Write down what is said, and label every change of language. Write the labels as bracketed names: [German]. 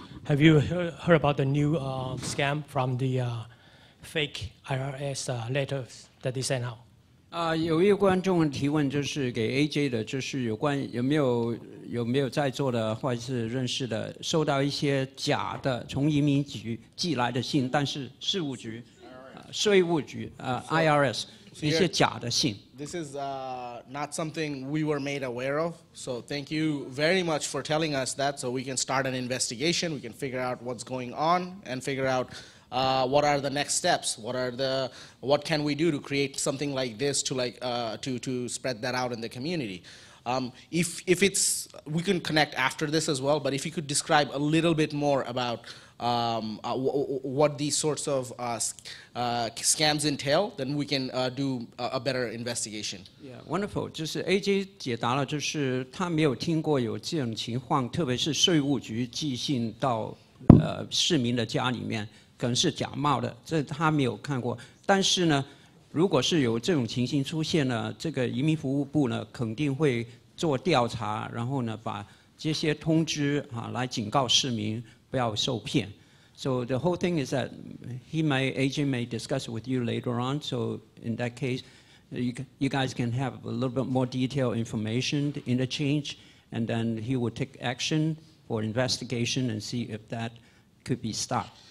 [English] Have you heard about the new scam from the fake IRS letters that they sent out? [Chinese] 有一个观众提问，就是给 AJ 的，就是有关有没有在座的或者是认识的，收到一些假的从移民局寄来的信，但是事务局、税务局、IRS。 [English] This is not something we were made aware of. So thank you very much for telling us that so we can start an investigation. We can figure out what's going on and figure out what are the next steps. What can we do to create something like this to spread that out in the community. If it's, we can connect after this as well, but if you could describe a little bit more aboutwhat these sorts of scams entail, then we can do a better investigation. Yeah, wonderful. [Chinese] 就是 AJ 解答了，就是他没有听过有这种情况，特别是税务局寄信到市民的家里面，可能是假冒的，这他没有看过。但是呢，如果是有这种情形出现呢，这个移民服务部呢肯定会做调查，然后呢把这些通知啊来警告市民。不要受骗。 [English] So the whole thing is that agent may discuss with you later on. So in that case, you guys can have a little bit more detailed information interchange, and then he will take action for investigation and see if that could be stopped.